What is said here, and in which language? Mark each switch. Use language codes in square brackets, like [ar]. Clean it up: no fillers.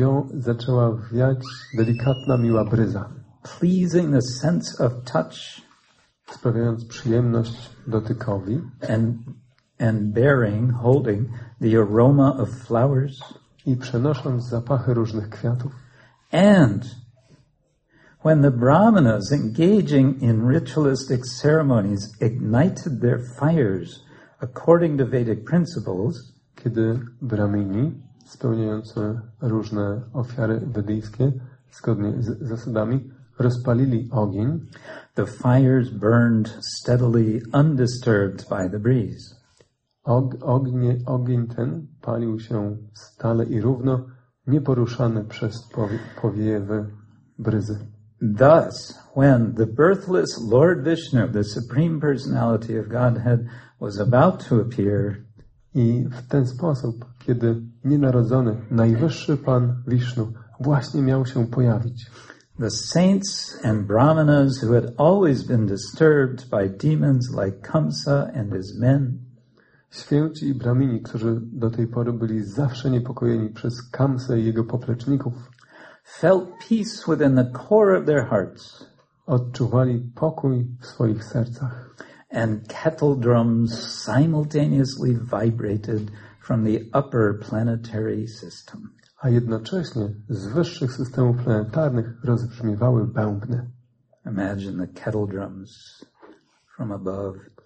[pl] Zaczęła wiać delikatna, miła bryza. [en] Pleasing the sense of touch. [pl] Sprawiając przyjemność dotykowi. [en] And bearing, holding the aroma of flowers. [pl] I przenosząc zapachy różnych kwiatów. [en] And when the brahmanas engaging in ritualistic ceremonies ignited their fires according to Vedic principles, [pl] kiedy brahmini spełniający różne ofiary wedyjskie zgodnie z zasadami rozpalili ogień, [en] the fires burned steadily undisturbed by the breeze. [pl] Ogień ten palił się stale i równo, nieporuszany przez powiewy bryzy. [en] Thus, when the birthless Lord Vishnu, the Supreme Personality of Godhead, was about to appear, [pl] i w ten sposób, kiedy nienarodzony, najwyższy Pan Vishnu właśnie miał się pojawić, [en] the saints and brahmanas who had always been disturbed by demons like Kamsa and his men, [pl] święci i brahmini, którzy do tej pory byli zawsze niepokojeni przez Kamsę i jego popleczników, [en] felt peace within the core of their hearts, [pl] odczuwali pokój w swoich sercach, [en] and kettle drums simultaneously vibrated from the upper planetary system. [pl] A jednocześnie z wyższych systemów planetarnych rozbrzmiewały bębny. [en] Imagine the kettle drums from above.